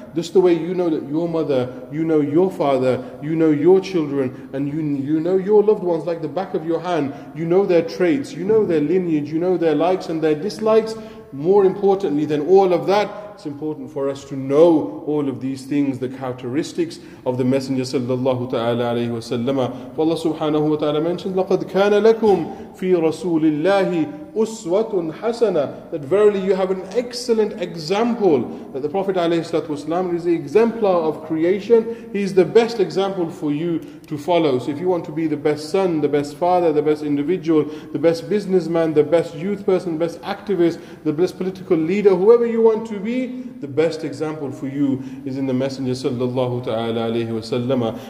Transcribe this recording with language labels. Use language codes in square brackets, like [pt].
[en] Just the way you know that your mother, you know your father, you know your children, and you know your loved ones like the back of your hand, you know their traits, you know their lineage, you know their likes and their dislikes. More importantly than all of that, it's important for us to know all of these things, the characteristics of the Messenger sallallahu ta'ala alayhi wa sallam. For Allah subhanahu wa ta'ala mentions, [ar] لَقَدْ كَانَ لَكُمْ فِي رَسُولِ اللَّهِ أُسْوَةٌ حَسَنَةٌ. [en] That verily you have an excellent example, that the Prophet alayhi salatu wasalam is the exemplar of creation. He is the best example for you to follow. So if you want to be the best son, the best father, the best individual, the best businessman, the best youth person, the best activist, the best political leader, whoever you want to be, the best example for you is in the Messenger sallallahu ta'ala alayhi wa sallam.